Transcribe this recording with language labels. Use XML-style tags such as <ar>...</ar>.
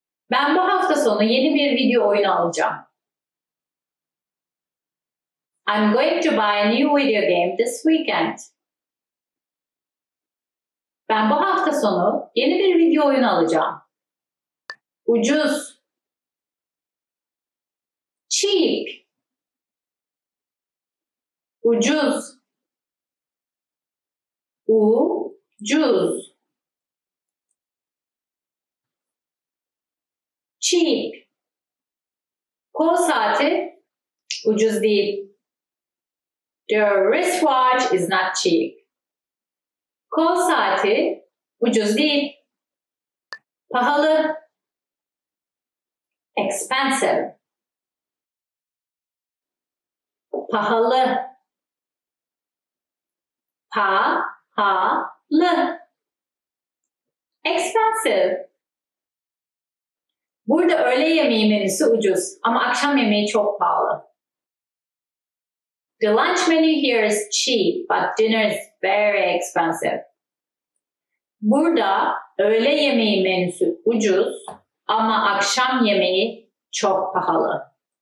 <tr>Ben bu hafta sonu yeni bir video oyunu alacağım.</tr> <en>I'm going to buy a new video game this weekend.</en> <tr>Ben bu hafta sonu yeni bir video oyunu alacağım. Ucuz.</tr> <en>Cheap.</en> <tr>Ucuz. Ucuz.</tr> <en>Cheap.</en> <tr>Kol saati ucuz değil.</tr> <en>The wristwatch is not cheap.</en> <tr>Kol saati ucuz değil. Pahalı.</tr> <en>Expensive.</en> <tr>Pahalı. Pahalı.</tr> <en>Expensive.</en> <tr>Burada öğle yemeği menüsü ucuz ama akşam yemeği çok pahalı.</tr> <en>The lunch menu here is cheap, but dinner is very expensive.</en> <tr>Burada öğle yemeği menüsü ucuz ama akşam yemeği çok pahalı.</tr>